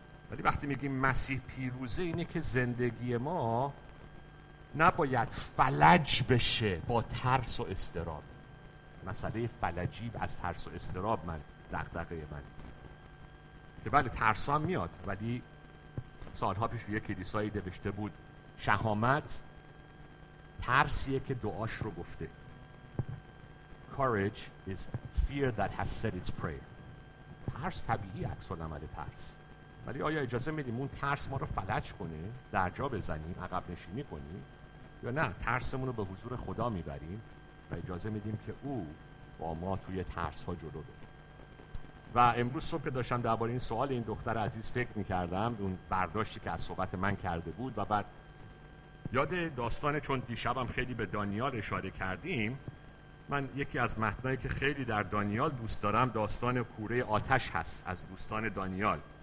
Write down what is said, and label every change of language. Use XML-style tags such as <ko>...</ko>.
<fa>ولی وقتی میگیم مسیح پیروزه، اینه که زندگی ما نباید فلج بشه با ترس و استراب. مسئله فلجی از ترس و استراب من دغدغه من، که بله ترس هم میاد، ولی سالها پیش یه کلیسایی نوشته بود شهامت ترسیه که دعاش رو گفته.</fa> <en>Courage is fear that has said its prayer.</en> <fa>ترس طبیعی عکس العمل ترس، ولی آیا اجازه میدیم اون ترس ما رو فلج کنه، در جا بزنیم، عقب نشینی کنیم، یا نه ترسمون رو به حضور خدا میبریم و اجازه میدیم که او با ما توی ترس ها جلو بره. و امروز صبح که داشتم درباره این سوال این دختر عزیز فکر میکردم، اون برداشتی که از صحبت من کرده بود، و بعد یاد داستان، چون دیشبم خیلی به دانیال اشاره کردیم، من یکی از متنایی که خیلی در دانیال دوست دارم داستان کوره آتش هست، از دوستان دانیال</fa>